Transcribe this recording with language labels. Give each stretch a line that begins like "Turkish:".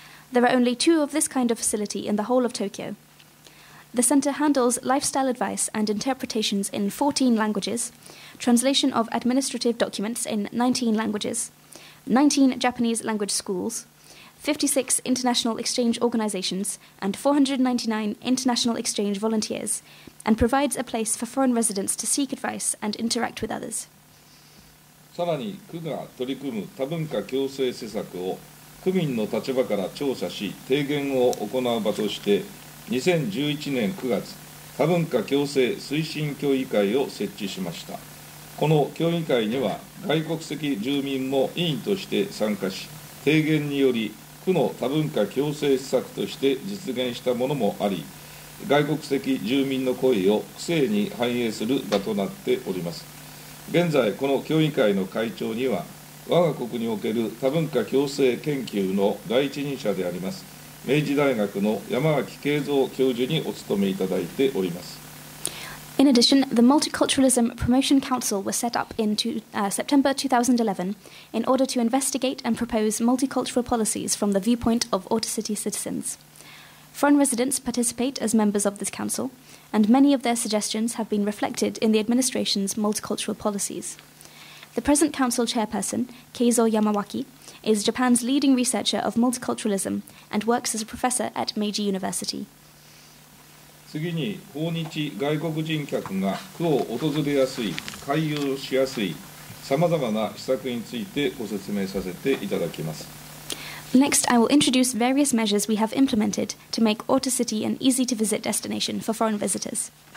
English: There are only two of this kind of facility in the whole of Tokyo. The center handles lifestyle advice and interpretations in 14 languages, translation of administrative documents in 19 languages,19 Japanese language schools, 56 international exchange organizations, and 499 international exchange volunteers, and provides a place for foreign residents to seek advice and interact with others.
Japanese: さらに、区が取り組む多文化共生施策を区民の立場から調査し、提言を行う場として、2011年9月、多文化共生推進協議会を設置しました。この協議会には外国籍住民も委員として参加し、提言により区の多文化共生施策として実現したものもあり、外国籍住民の声を区政に反映する場となっております。現在、この協議会の会長には、我が国における多文化共生研究の第一人者であります、明治大学の山脇敬三教授にお務めいただいております。
English: In addition, the Multiculturalism Promotion Council was set up in September 2011 in order to investigate and propose multicultural policies from the viewpoint of Ota City citizens. Foreign residents participate as members of this council, and many of their suggestions have been reflected in the administration's multicultural policies. The present council chairperson, Keizo Yamawaki, is Japan's leading researcher of multiculturalism and works as a professor at Meiji University.
Japanese: 次に、訪日外国人客が区を訪れやすい、回遊しやすい、さまざまな施策についてご説明させていただきます。
English: Next, I will introduce various measures we have implemented to make Ota City an easy-to-visit destination for foreign visitors.